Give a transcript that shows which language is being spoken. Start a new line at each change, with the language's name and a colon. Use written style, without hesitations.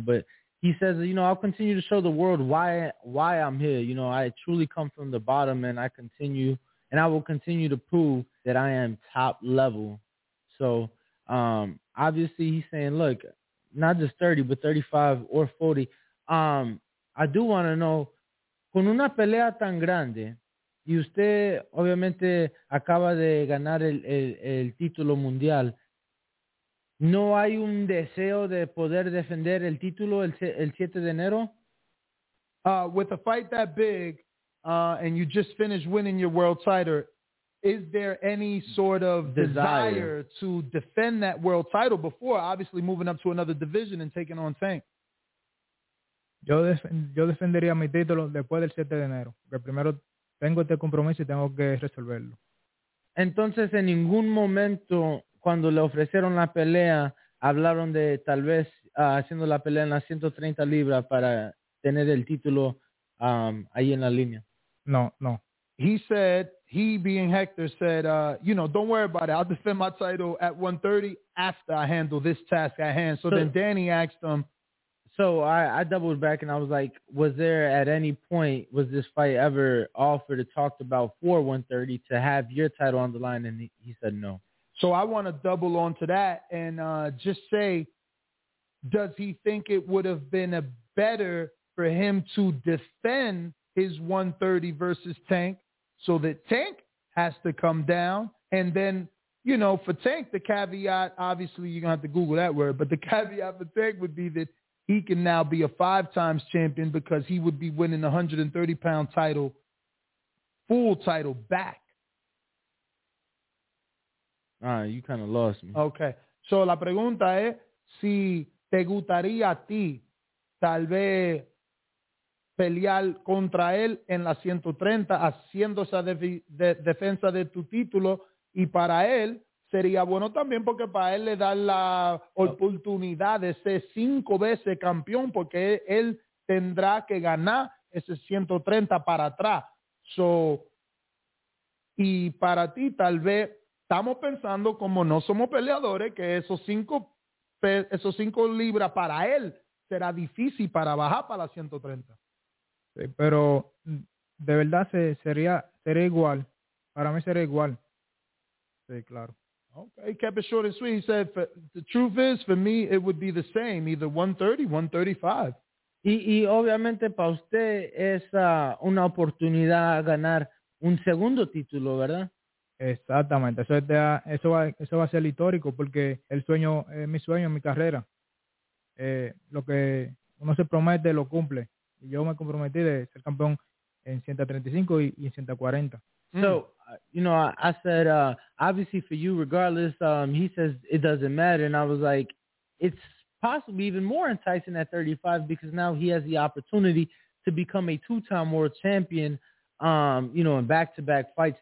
English: But he says, you know, I'll continue to show the world why I'm here. You know, I truly come from the bottom, and I will continue to prove that I am top level. So obviously he's saying, look, not just 30, but 35 or 40. I do want to know,
Spanish: con una pelea tan grande, y usted obviamente acaba de ganar el título mundial, ¿no hay un deseo de poder defender el título el 7 de enero?
English: With a fight that big, and you just finished winning your world title, is there any sort of desire to defend that world title before obviously moving up to another division and taking on Tank?
Spanish: Yo defendería mi título después del 7 de enero, porque primero tengo este compromiso y tengo que resolverlo. Entonces, en ningún momento, cuando le ofrecieron la pelea, hablaron de tal vez haciendo la pelea en las 130 libras para tener el título ahí en la línea. No, no.
English: He said, he being Hector, said, you know, don't worry about it. I'll defend my title at 130 after I handle this task at hand. So then Danny asked him. So I doubled back and I was like, was there at any point, was this fight ever offered or talked about for 130 to have your title on the line? And he said no. So I want to double on to that and just say, does he think it would have been a better for him to defend his 130 versus Tank so that Tank has to come down? And then, you know, for Tank, the caveat, obviously you're going to have to Google that word, but the caveat for Tank would be that he can now be a 5-times champion because he would be winning the 130-pound title, full title back. Ah, you kind of lost me. Okay.
Spanish: So la pregunta es, si te gustaría a ti tal vez pelear contra él en la 130 haciendo esa defensa de tu título, y para él sería bueno también porque para él le dan la oportunidad de ser 5 veces campeón porque él tendrá que ganar ese 130 para atrás. So, y para ti tal vez estamos pensando, como no somos peleadores, que esos cinco libras para él será difícil para bajar para la 130. Sí, pero de verdad sería igual. Para mí sería igual. Sí, claro.
English: Okay, he kept it short and sweet. He said, the truth is, for me, it would be the same, either 130, 135.
Spanish: Y obviamente para usted es una oportunidad a ganar un segundo título, ¿verdad? Exactamente. Eso va a ser histórico porque el sueño es mi sueño, mi carrera. Lo que uno se promete lo cumple. Y yo me comprometí de ser campeón en 135 y en 140.
English: So, you know, I said, obviously for you, regardless, he says it doesn't matter. And I was like, it's possibly even more enticing at 35 because now he has the opportunity to become a 2-time world champion, you know, in back-to-back fights.